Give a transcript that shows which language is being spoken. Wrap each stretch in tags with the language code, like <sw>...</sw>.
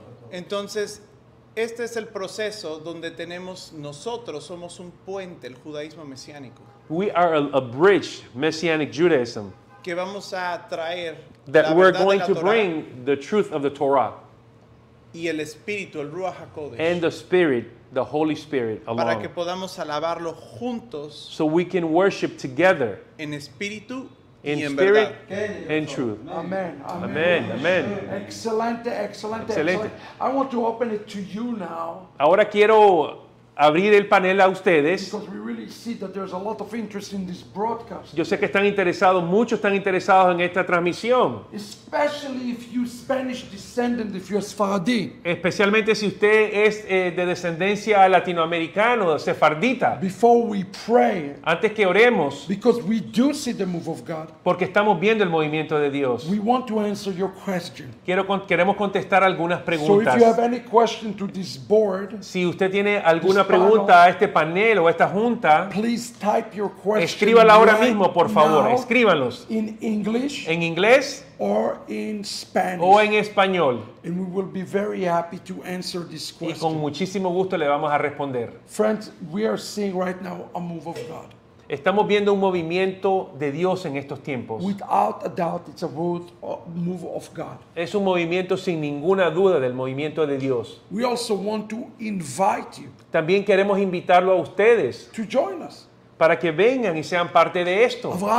<es>Entonces, este es el proceso donde tenemos nosotros, somos un puente, el judaísmo mesiánico.</es> <en>We are a bridge, Messianic Judaism.</en> <es>Que vamos a traer</es> <en>that we're going to bring the truth of the Torah.</en> <es>Y el espíritu, el Ruach HaKodesh.</es> <en>And the spirit, the Holy Spirit alone.</en> <es>Para que podamos alabarlo juntos.</es> <en>So we can worship together.</en> <es>En espíritu</es> <en>in</en> <es>y en</es> <en>spirit</en> <es>verdad.</es> <en>And truth. Amen. Amen. Amen. Amen.</en> <es>Excelente, excelente, excelente.</es> <en>I want to open it to you now.</en> <es>Ahora quiero abrir el panel a ustedes.</es> <en>Because we really see that there's a lot of interest in this broadcast.</en> <es>Yo sé que están interesados, muchos están interesados en esta transmisión.</es> <en>Especially if you're Spanish descendant, if you're Sephardi.</en> <es>Especialmente si usted es de descendencia latinoamericana, sefardita.</es> <en>Before we pray.</en> <es>Antes que oremos.</es> <en>Because we do see the move of God.</en> <es>Porque estamos viendo el movimiento de Dios.</es> <en>We want to answer your question.</en> <es>Queremos contestar algunas preguntas.</es> <en>So if you have any question to this board.</en> <es>Si usted tiene alguna pregunta a este panel o a esta junta,</es> <en>please type your question.</en> <es>Escríbala ahora mismo, por favor. Escríbanlos.</es> <en>In English,</en> <es>en inglés</es> <en>or in Spanish,</en> <es>o en español.</es> <en>And we will be very happy to answer this question.</en> <es>Y con muchísimo gusto le vamos a responder.</es> <en>Friends, we are seeing right now a move of God.</en> <es>Estamos viendo un movimiento de Dios en estos tiempos.</es> <en>Without a doubt, it's a move of God.</en> <es>Es un movimiento sin ninguna duda del movimiento de Dios.</es> <en>We also want to invite you.</en> <es>También queremos invitarlo a ustedes</es> <en>to join us.</en> <es>Para que vengan y sean parte de esto.</es>